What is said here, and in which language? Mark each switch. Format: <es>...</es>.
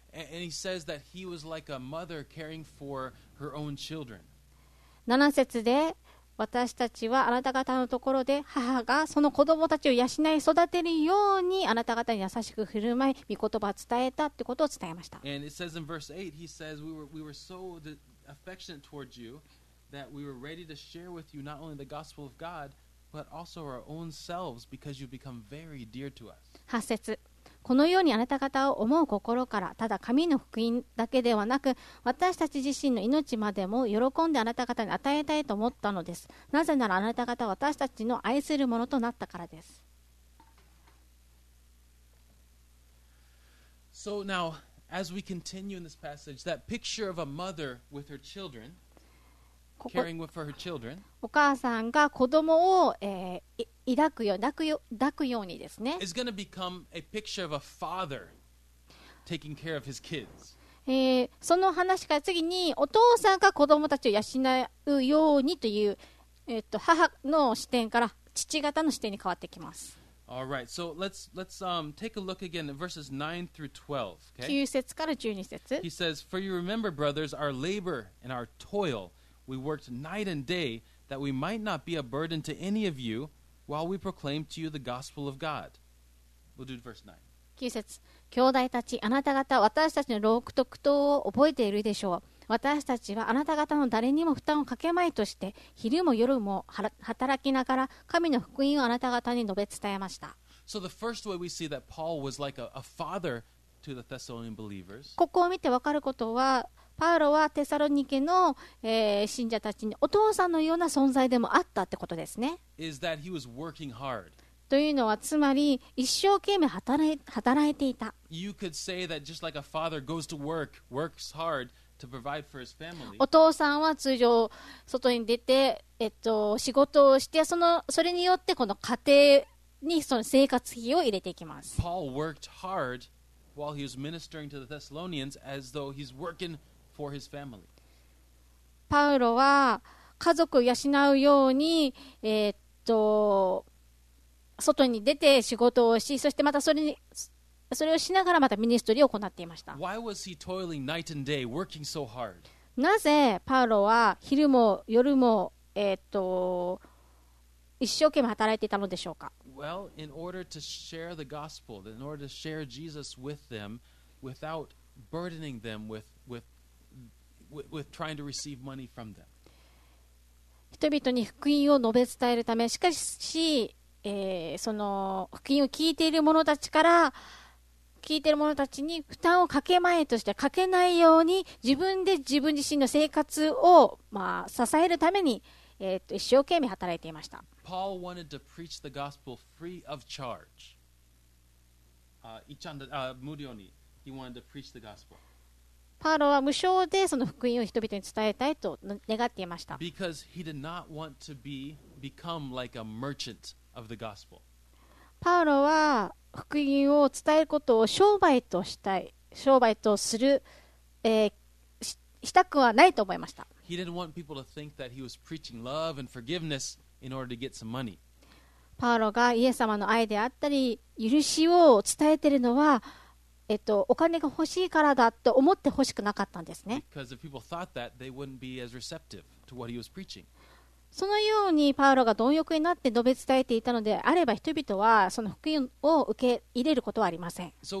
<en>And he says that he was like a mother caring for her own children.</en> <ja>7節で私たちはあなた方のところで母がその子供たちを養い育てるようにあなた方に優しく振る舞い御言葉を伝えたということを伝えました。</ja> <en>And it says in verse 8, he says, we were so affectionate towards you that we were ready to share with you not only the gospel of God, but also our own selves because you've become very dear to us.</en> <ja>8節。このようにあなた方を思う心からただ神の福音だけではなく私たち自身の命までも喜んであなた方に与えたいと思ったのです。なぜならあなた方は私たちの愛するものとなったからです。</ja> <en>So now, as we continue in this passage, that picture of a mother with her children,caring for her children.</en> <ja>お母さんが子供を、抱くようにですね。</ja> <en>Is going to become a picture of a father taking care of his kids.</en> <ja>その話から次にお父さんが子供たちを養うようにという、母の視点から父方の視点に変わってきます。</ja> <en>All right, so let's take a look again at verses 9 through 12. Okay.</en> <ja>9節から12節。</ja> <en>He says, "For you remember, brothers, our labor and our toil." We worked night and day that we might not be a burden to any of you while we proclaimed to you the gospel of God. We'll do verse</en> <ja>9. 9節。兄弟たち、あなた方、私たちの労苦と苦闘を覚えているでしょう。私たちはあなた方の誰にも負担をかけまいとして、昼も夜も働きながら神の福音をあなた方に述べ伝えました。</ja> <en>So the first way we see that Paul was like a father to the Thessalonian believers.</en> <ja>ここを見てわかることは、パウロはテサロニケの、信者たちにお父さんのような存在でもあったってことですね。</ja> <en>Is that he was working hard.</en> <ja>というのはつまり一生懸命働いていた。</ja> <en>You could say that just like a father goes to work, works hard to provide for his family.</en> <ja>お父さんは通常外に出て、仕事をしてそれによってこの家庭にその生活費を入れていきます。</ja> <en>Paul worked hard while he was ministering to the Thessalonians as though he's working hard. For his family.</en> <ja>パウロは家族を養うように、外に出て仕事をし、そしてまたそれをしながらまたミニストリーを行っていました。</ja> <en>Why was he toiling night and day, working so hard?</en> <ja>なぜパウロは昼も夜も、一生懸命働いていたのでしょうか。</ja> <en>Well, in order to share the gospel, in order to share Jesus with them, without burdening them with trying to receive money from them.</en> <ja>人々に福音を述べ伝えるため、しかし、その福音を聞いている者たちから、聞いている者たちに負担をかけまいとして、かけないように自分で自分自身の生活を、支えるために、一生懸命働いていました。</ja> <en>Paul wanted to preach the gospel free of charge. Murioni, he wanted to preach the gospel.</en> <ja>パウロは無償でその福音を人々に伝えたいと願っていました。</ja> <en>Because he did not want to become like a merchant of the gospel.</en> <ja>パウロは福音を伝えることを商売としたい、商売とする、したくはないと思いました。</ja> <en>He didn't want people to think that he was preaching love and forgiveness in order to get some money.</en> <ja>パウロがイエス様の愛であったり、許しを伝えているのは、お金が欲しいからだと思って欲しくなかったんですね。</ja> <en>Because if people thought that, they wouldn't be as receptive to what he was preaching.</en> <ja>そのようにパウロが貪欲になって述べ伝えていたのであれば人々はその福音を受け入れることはありません。</ja>